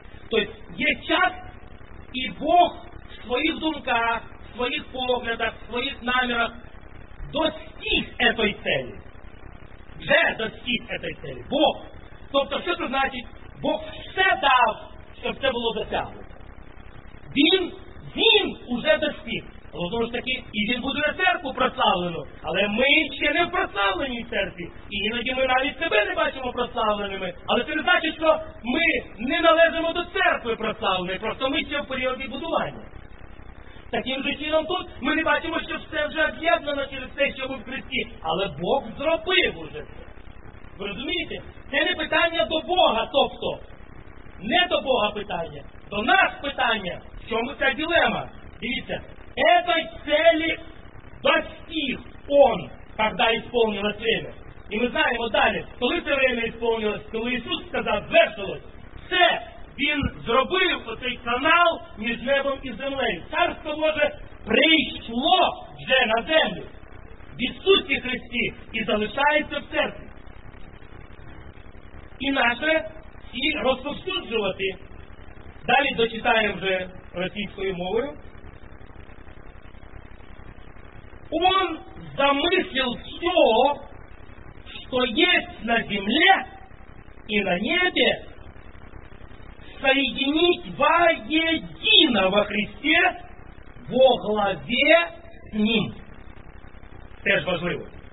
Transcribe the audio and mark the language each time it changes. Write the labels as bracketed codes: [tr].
[ru] То есть есть час, и Бог [uk] в своих думках, в своих поглядах, в своих намерах [ru] достиг этой цели. Уже достиг этой цели. Бог. [uk] Тобто, [ru] что это значит? Бог все дав, чтобы все было достигнуто. [uk] Він уже достиг. Але знову ж таки, і він буде на церкву прославлену. Але ми ще не в прославленій церкві. І іноді ми навіть себе не бачимо прославленими. Але це не значить, що ми не належимо до церкви прославленої. Просто ми ще в періоді будування. Таким же чином тут ми не бачимо, що все вже об'єднано через те, що ми в Христі. Але Бог зробив уже це. Ви розумієте? Це не питання до Бога, тобто. Не до Бога питання. До нас питання. В чому ця дилема? Дивіться. [ru] Этой цели достиг Он, когда исполнилось время. И мы знаем вот далее, [uk] коли це время исполнилось, коли Иисус сказав, звершилось, все, Він зробив оцей канал між небом і землею. Царство Боже прийшло вже на землю в Ісусі Христі і залишається в церкві. І наше всі розповсюджувати. Далі дочитаємо вже російською мовою. [ru] Он замыслил все, что есть на земле и на небе, соединить воедино во Христе, во главе с Ним. Это же [uk] важливо.